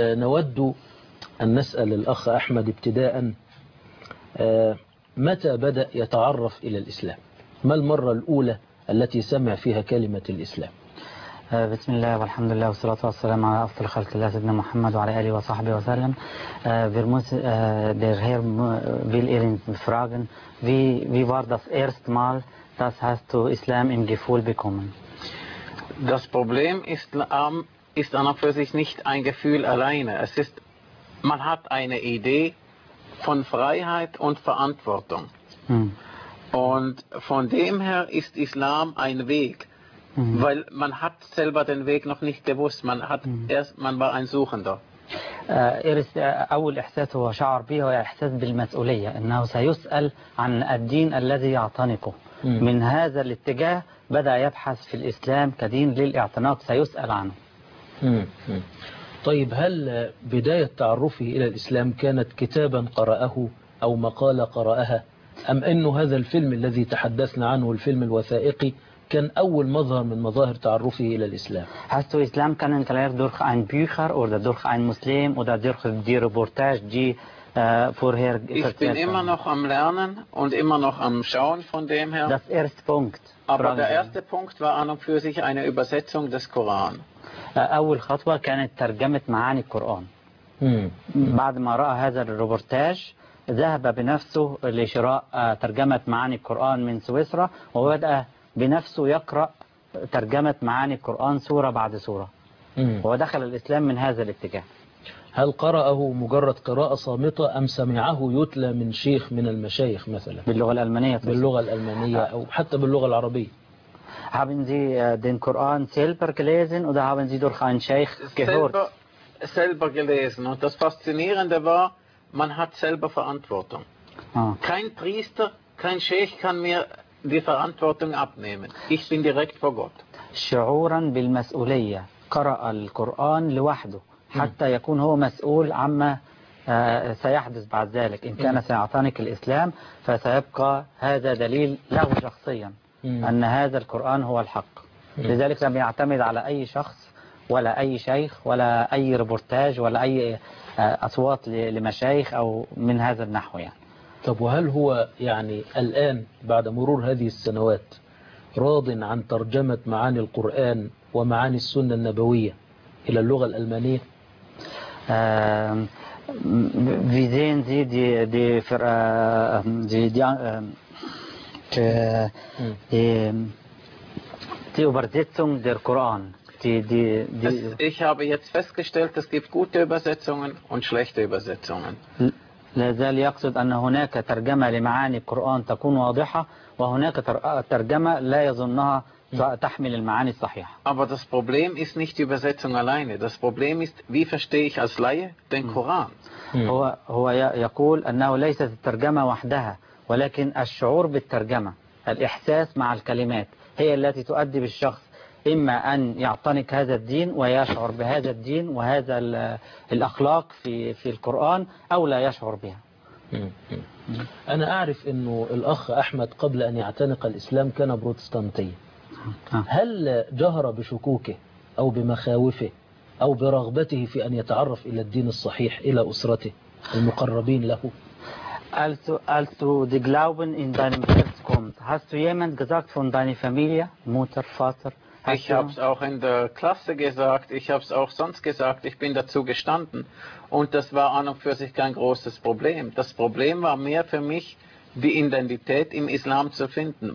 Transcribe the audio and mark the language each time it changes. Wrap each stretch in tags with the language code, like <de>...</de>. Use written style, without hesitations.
<ar>نود أن نسأل الأخ أحمد ابتداء، متى بدأ يتعرف إلى الإسلام؟ ما المرة الأولى التي سمع فيها كلمة الإسلام؟ بسم الله والحمد لله والصلاة والسلام على أفضل خلق الله سيدنا محمد وعلى آله وصحبه وسلم.</ar> <de>برموس در هير ويل إيرين فراغن وي وار داس إيرست مال داس هاستو إسلام إن جفول بيكومن. Das Problem ist, ist an und für sich nicht ein Gefühl alleine. Es ist, man hat eine Idee von Freiheit und Verantwortung. Und von dem her ist Islam ein Weg, weil man hat selber den Weg noch nicht gewusst. Man hat erst, man war ein Suchender.</de> <ar>إرث أول إحساسه وشعر به هو إحساس بالمسؤولية، أنه سيسأل عن الدين الذي يعتنقه. من هذا الاتجاه بدأ يبحث في الإسلام كدين للاعتناق، سيسأل عنه. طيب، هل بداية تعرفه إلى الإسلام كانت كتابا قرأه أو مقالة قرأها، أم أنه هذا الفيلم الذي تحدثنا عنه، الفيلم الوثائقي، كان أول مظهر من مظاهر تعرفه إلى الإسلام؟ هل الإسلام كان</ar> <de>انتلير دورخ عن بيخر أو دورخ عن مسلم أو دورخ دي ربورتاج دي Ich bin immer noch am Lernen und immer noch am Schauen von dem her. Das erste Punkt. Aber der erste Punkt war an und für sich eine Übersetzung des Koran.</de> <ar>أول خطوة كانت ترجمة معاني القرآن. بعد ما رأى هذا الروبرتاج ذهب بنفسه لشراء ترجمة معاني القرآن من سويسرا، وبدأ بنفسه يقرأ ترجمة معاني القرآن سورة بعد سورة. ودخل الإسلام من هذا الاتجاه. هل قرأه مجرد قراءة صامتة أم سمعه يتلى من شيخ من المشايخ مثلا باللغة الألمانية طيب. باللغة الألمانية أو حتى باللغة العربية.</ar> <de>Haben Sie den Koran selber gelesen oder haben Sie durch einen Scheich gehört? Selber gelesen. Und das Faszinierende war, man hat selber Verantwortung. Kein Priester, kein Scheich kann mir die Verantwortung abnehmen. Ich bin direkt vor Gott.</de> <ar>شعورا بالمسؤولية قرأ القرآن لوحده حتى يكون هو مسؤول عما سيحدث بعد ذلك. إن كان سيعتنق الإسلام فسيبقى هذا دليل له شخصيا أن هذا القرآن هو الحق. لذلك لم يعتمد على أي شخص ولا أي شيخ ولا أي ريبورتاج ولا أي أصوات لمشايخ أو من هذا النحو يعني. طب وهل هو يعني الآن بعد مرور هذه السنوات راض عن ترجمة معاني القرآن ومعاني السنة النبوية إلى اللغة الألمانية؟</ar> <de>Wie sehen Sie die Übersetzung der Koran? Ich habe jetzt festgestellt, es gibt gute Übersetzungen und schlechte Übersetzungen.</de> <ar>لا زال يقصد أن هناك ترجمة لمعاني القرآن تكون واضحة وهناك ترجمة لا يظنها تحمل المعاني الصحيحة.</ar> <de>Aber das Problem ist nicht die Übersetzung alleine. Das Problem ist, wie verstehe ich als Laie den Koran.</de> <ar>هو يقول أنه ليست الترجمة وحدها ولكن الشعور بالترجمة الإحساس مع الكلمات هي التي تؤدي بالشخص إما أن يعتنق هذا الدين ويشعر بهذا الدين وهذا الأخلاق في القرآن أو لا يشعر بها. أنا أعرف أنه الأخ أحمد قبل أن يعتنق الإسلام كان بروتستانتيا. هل جهر بشكوكه أو بمخاوفه أو برغبته في أن يتعرف إلى الدين الصحيح إلى أسرته المقربين له؟</ar> <de>Also die Glauben in deinem Herz kommt. Hast du jemand gesagt von deiner Familie, Mutter, Vater? Ich habe es auch in der Klasse gesagt, ich habe es auch sonst gesagt, ich bin dazu gestanden. Und das war an und für sich kein großes Problem. Das Problem war mehr für mich, die Identität im Islam zu finden.</de>